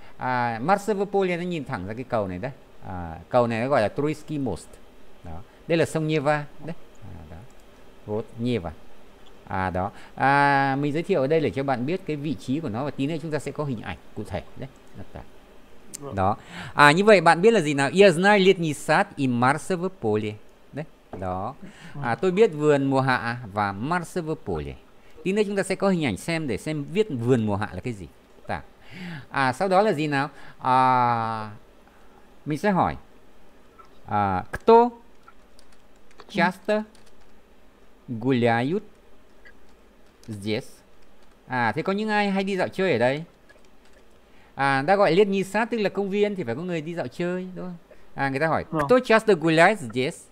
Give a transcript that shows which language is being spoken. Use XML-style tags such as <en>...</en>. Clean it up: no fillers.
<vi>À Марсово поле nó nhìn thẳng ra cái cầu này đấy. À, cầu này nó gọi là Троицкий мост. Đó. Đây là sông Нева đấy.</vi> <ru>Вот, Нева. À đó.</ru> <vi>À mình giới thiệu ở đây để cho bạn biết cái vị trí của nó và tí nữa chúng ta sẽ có hình ảnh cụ thể đấy. Đó. À như vậy bạn biết là gì nào?</vi> <ru>Я знаю летний сад и Марсово поле.</ru> <vi>Đấy. Đó. À tôi biết vườn mùa hạ và Марсово поле. Tí nữa chúng ta sẽ có hình ảnh xem viết vườn mùa hạ là cái gì. Ta. À sau đó là gì nào? À mình sẽ hỏi.</vi> <ru>À кто часто гуляют здесь.</ru> <vi>À thế có những ai hay đi dạo chơi ở đây? À người ta gọi Летний сад tức là công viên thì phải có người đi dạo chơi đúng không? À người ta hỏi</vi> <ru>кто часто гуляет здесь?</ru>